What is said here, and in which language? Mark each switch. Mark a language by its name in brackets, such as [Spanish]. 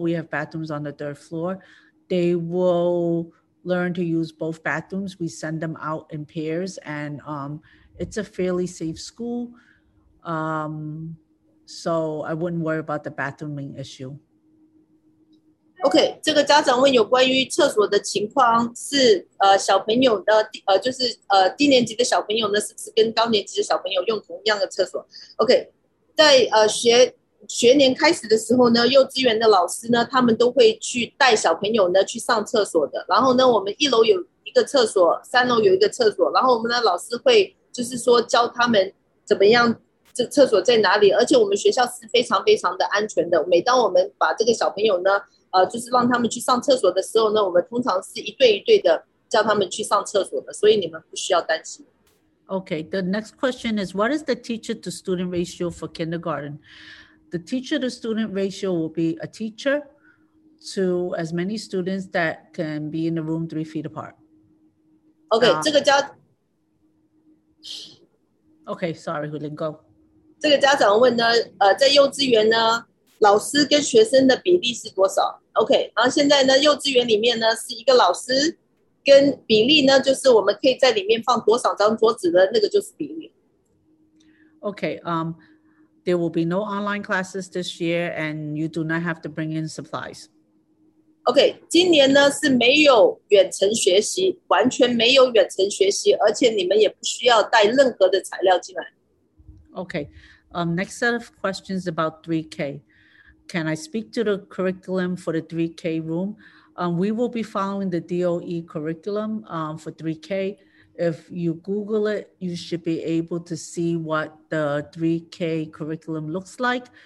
[English] We have bathrooms on the third floor. They will learn to use both bathrooms. We send them out in pairs, and it's a fairly safe school. So I wouldn't worry about the bathrooming issue. [Chinese] Okay, 这个家长问有关于厕所的情况是小朋友的就是低年级的小朋友呢是不是跟高年级的小朋友用同样的厕所 ？Okay, 在学年开始的时候呢，幼稚园的老师呢，他们都会去带小朋友呢去上厕所的。然后呢，我们一楼有一个厕所，三楼有一个厕所，然后我们的老师会就是说教他们怎么样。这厕所在哪里？而且我们学校是非常非常的安全的。每当我们把这个小朋友呢，就是让他们去上厕所的时候呢，我们通常是一对一对的叫他们去上厕所的，所以你们不需要担心。 [English] Okay, the next question is, what is the teacher to student ratio for kindergarten? The teacher to student ratio will be a teacher to as many students that can be in the room 3 feet apart. [Chinese] Okay, 这个家。 [English] Okay, sorry, Hulin, go. [Chinese] 这个家长问呢，在幼稚园呢，老师跟学生的比例是多少 ？OK， 然后现在呢，幼稚园里面呢是一个老师，跟比例呢，就是我们可以在里面放多少张桌子的那个就是比例。 [English] OK， there will be no online classes this year, and you do not have to bring in supplies. [Chinese] OK， 今年呢是没有远程学习，完全没有远程学习，而且你们也不需要带任何的材料进来。 [English] Okay, next set of questions about 3K. Can I speak to the curriculum for the 3K room? We will be following the DOE curriculum for 3K. If you Google it, you should be able to see what the 3K curriculum looks like.